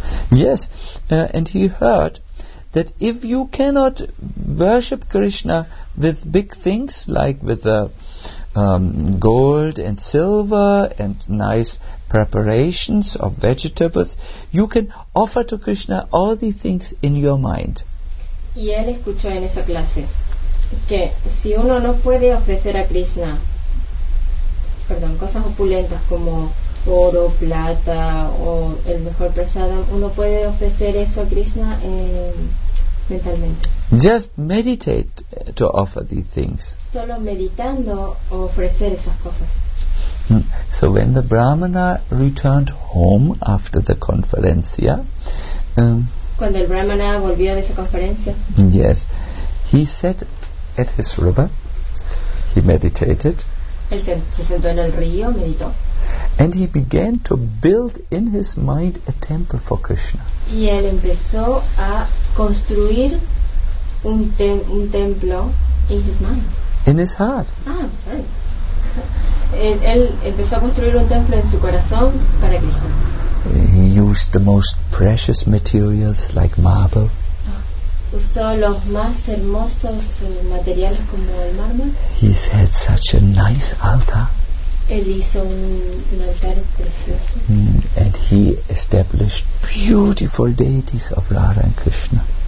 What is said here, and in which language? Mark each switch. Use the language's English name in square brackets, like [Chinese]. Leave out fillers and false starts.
[English] Yes, and he heard that if you cannot worship Krishna with big things, like with gold and silver and nice preparations of vegetables, you can offer to Krishna all these things in your mind. [Spanish] Y él escuchó en esa clase que si uno no puede ofrecer a Krishna, perdón, cosas opulentas como oro, plata o el mejor prasada, uno puede ofrecer eso a Krishna mentalmente. [English] Just meditate to offer these things. [Spanish] Solo meditando ofrecer esas cosas. [English] So when the brahmana returned home after the conferencia, [Spanish] cuando el brahmana volvió de esa conferencia, [English] yes, he sat at his river, he meditated, [Spanish] él se sentó en el río, meditó, [English] and he began to build in his mind a temple for Krishna. [Spanish] Y él empezó a construir un templo [English] in his mind. In his heart. Ah, I'm sorry. [Spanish] Él empezó a construir un templo en su corazón para Krishna. [English] He used the most precious materials like marble. [Spanish] Usó los más hermosos materiales como el mármol. [English] He had such a nice altar. [Spanish] Él hizo un altar precioso. [English] And he established beautiful deities of Radha and Krishna.